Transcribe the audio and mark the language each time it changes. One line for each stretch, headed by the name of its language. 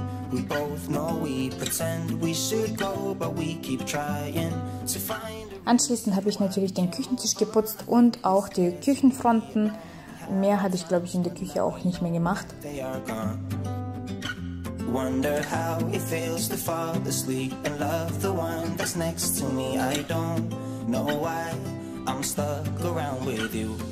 English: We both know we pretend we should go, but we keep trying to find a
German: Anschließend habe ich natürlich den Küchentisch geputzt und auch die Küchenfronten. Mehr hatte ich, glaube ich, in der Küche auch nicht mehr gemacht.
English: Wonder how it feels to fall asleep and love the one that's next to me. I don't know why I'm stuck around with you.